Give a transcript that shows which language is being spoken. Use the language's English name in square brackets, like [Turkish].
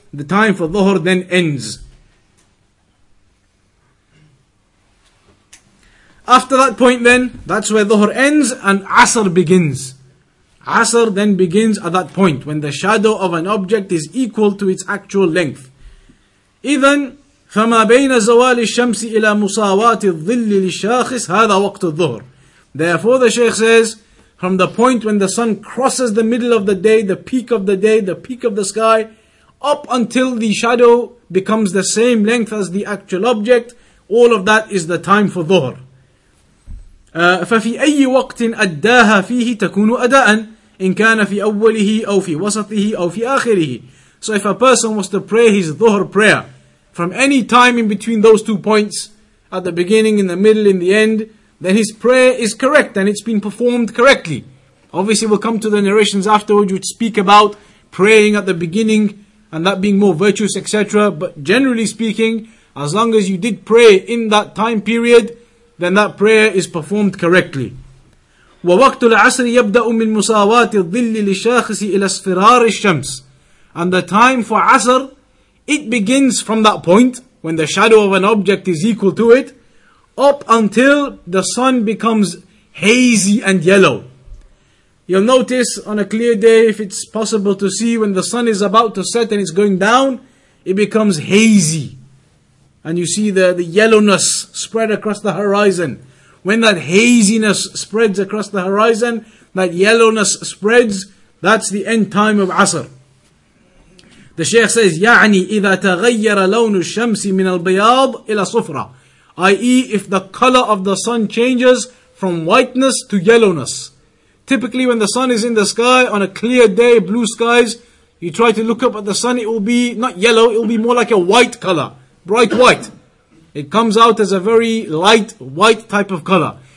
[English] The time for Dhuhr then ends. After that point then, that's where Dhuhr ends and Asr begins. Asr then begins at that point, when the shadow of an object is equal to its actual length. [Arabic] إذن فما بين زوال الشمس إلى مساواة الظل للشاخص هذا وقت الظهر. [English] Therefore the Shaykh says, from the point when the sun crosses the middle of the day, the peak of the day, the peak of the sky, up until the shadow becomes the same length as the actual object, all of that is the time for ظهر. [Arabic] ففي أي وقت أداها فيه تكون أداء إن كان في أوله أو في وسطه أو في آخره. [English] So if a person was to pray his ظهر prayer from any time in between those two points, at the beginning, in the middle, in the end, then his prayer is correct and it's been performed correctly. Obviously we'll come to the narrations afterwards which speak about praying at the beginning and that being more virtuous, etc. But generally speaking, as long as you did pray in that time period, then that prayer is performed correctly. [Arabic] وَوَقْتُ الْعَصْرِ يَبْدَأُ مِنْ مُسَاوَاتِ الظِّلِّ لِشَاخِسِ إِلَى اسْفِرَارِ الشَّمْسِ. [English] And the time for Asr, it begins from that point, when the shadow of an object is equal to it, up until the sun becomes hazy and yellow. You'll notice on a clear day, if it's possible to see, when the sun is about to set and it's going down, it becomes hazy. And you see the yellowness spread across the horizon. When that haziness spreads across the horizon, that yellowness spreads, that's the end time of Asr. The Shaykh says, [Arabic] يعني إذا تغير لون الشمس من البياض إلى صفرة, i.e. [English] if the color of the sun changes from whiteness to yellowness. Typically when the sun is in the sky on a clear day, blue skies, you try to look up at the sun, it will be not yellow, it will be more like a white color, bright white. It comes out as a very light white type of color.